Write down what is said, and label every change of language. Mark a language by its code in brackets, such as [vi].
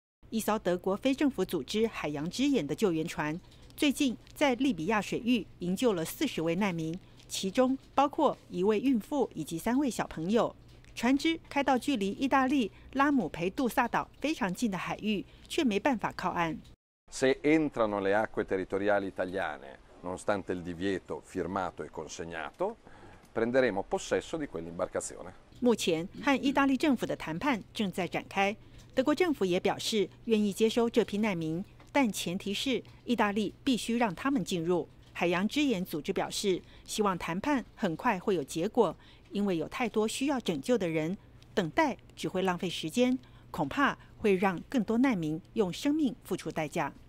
[zh] 一艘德国非政府组织海洋之眼的救援船最近在利比亚水域营救了40位难民，其中包括一位孕妇以及3位小朋友。船只开到距离意大利拉姆培杜萨岛非常近的海域，却没办法靠岸。 [it] Se entrano le acque territoriali italiane, nonostante il divieto firmato e consegnato,prenderemo possesso di quell'imbarcazione. [zh] 目前和意大利政府的谈判正在展开，德国政府也表示愿意接收这批难民，但前提是意大利必须让他们进入。海洋之眼组织表示，希望谈判很快会有结果，因为有太多需要拯救的人，等待只会浪费时间，恐怕会让更多难民用生命付出代价。